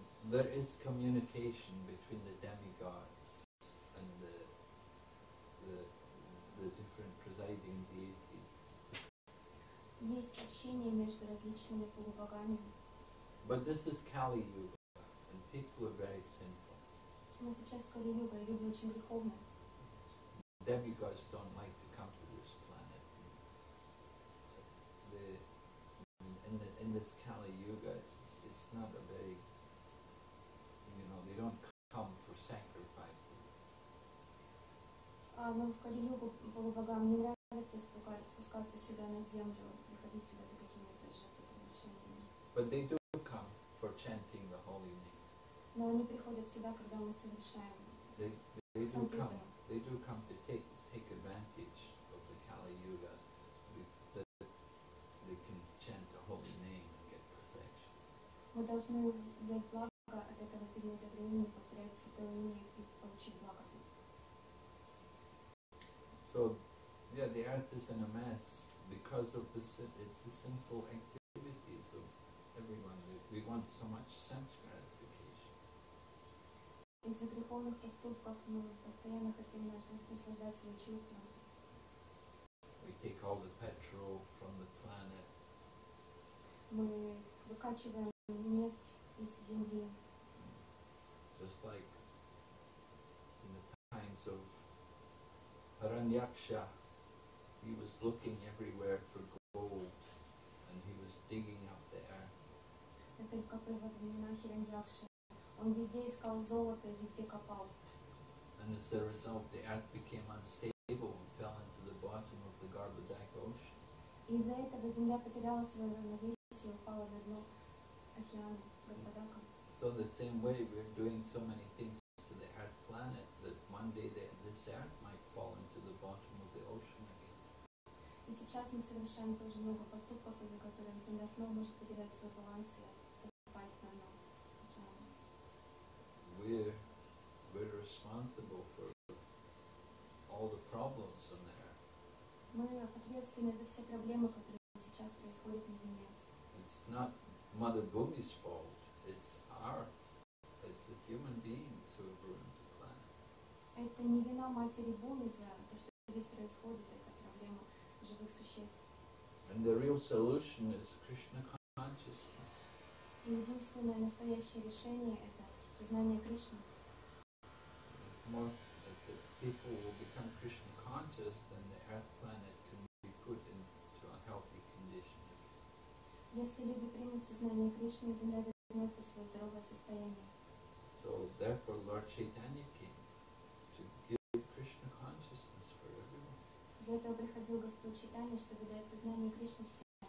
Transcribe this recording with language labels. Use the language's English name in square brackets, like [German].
[English] There is communication between the demigods and the different presiding deities. [Russian] Есть общение между различными полубогами. [English] But this is Kali Yuga, and people are very simple. [Russian] Но сейчас Кали-юга, и люди очень греховны. [English] Demigods don't like to come to this planet. In this Kali-yuga, it's not a very, you know, they don't come for sacrifices. [Russian] Но в Кали-югу полубогам не нравится спускаться сюда на землю, приходить сюда за какими-то жертвами. [English] But they do come for chanting the holy name. [Russian] Но они приходят сюда, когда мы совершаем. [English] They do come to take advantage of the Kali Yuga, that they can chant the holy name and get perfection. [Russian] Мы должны взять благо от этого периода времени, повторять святое имя и получить благо. [English] So, yeah, the earth is in a mess because of it's the sinful activities of everyone. We want so much sense gratification. [Russian] Из-за греховных поступков мы постоянно хотим наслаждаться своим чувством. [English] We take all the petrol from the planet. [Russian] Мы выкачиваем нефть из земли. [English] Just like in the times of Haranyaksha, he was looking everywhere for gold. digging up there. And as a result, the earth became unstable and fell into the bottom of the Garbhodak ocean. So the same way, we're doing so many things to the earth planet that one day this earth might fall into the bottom of the ocean again. [Russian] И сейчас мы совершаем тоже много поступков, из-за которых Земля снова может потерять свой баланс и попасть на дно. [English] We're responsible for all the problems on the earth. [Russian] Мы ответственны за все проблемы, которые сейчас происходят на Земле. [English] It's not Mother Bhumi's fault. It's the human beings who have ruined the planet. [Russian] Это не вина Матери Бхуми за то, что здесь происходит, это проблема живых существ. [English] And the real solution is Krishna consciousness. [Russian] И единственное настоящее решение – это сознание Кришны. [English] If people will become Krishna conscious, then the earth planet can be put into a healthy condition. [Russian] Если люди примут сознание Кришны, Земля вернется в свое здоровое состояние. [English] So therefore, Lord Chaitanya came to give Krishna consciousness for everyone. Для этого приходил Господь Чайтанья, чтобы дать сознание Кришны всем.